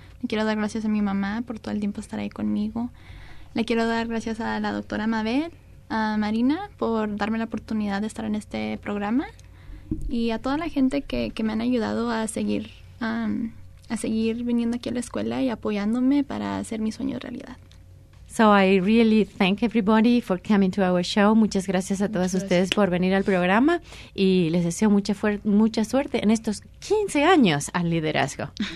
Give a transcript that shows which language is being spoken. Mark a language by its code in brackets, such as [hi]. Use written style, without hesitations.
[es] Le quiero dar gracias a mi mamá por todo el tiempo estar ahí conmigo. Le quiero dar gracias a la doctora Mabel, a Marina, por darme la oportunidad de estar en este programa. Y a toda la gente que me han ayudado a seguir a seguir viniendo aquí a la escuela y apoyándome para hacer mi sueño realidad. [en] So I really thank everybody for coming to our show. [es] Muchas gracias a todas ustedes por venir al programa y les deseo mucha suerte en estos 15 años al liderazgo.